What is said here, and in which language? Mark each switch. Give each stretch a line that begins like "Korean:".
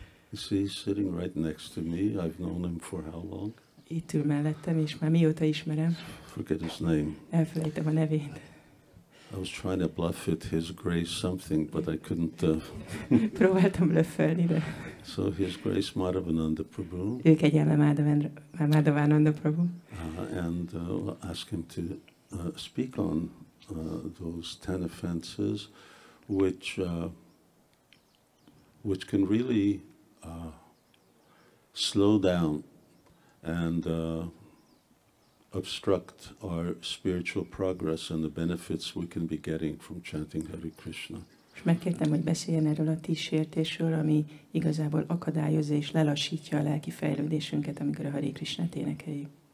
English: You see, he's sitting right next to me. I've known him for how long?
Hungarian: Itt ül mellettem, és már mióta ismerem.
English: Forget his name.
Hungarian: Elfelejtem a nevét.
English: I was trying to bluff it, his grace something, but I couldn't.
Hungarian: Próbáltam blöffelni, de.
English: So his grace Mādhavanada Prabhu.
Hungarian: Ő kegyelme Mādhavanada Prabhu.
English: And ask him to speak on those 10 offenses, which can really slow down and obstruct our spiritual progress and the benefits we can be getting from chanting Hare Krishna.
Hungarian: És megkértem, hogy beszéljen erről a 10 sértésről, ami igazából akadályozza és lelassítja a lelki fejlődésünket, amikor a Hare Krishnát énekeljük.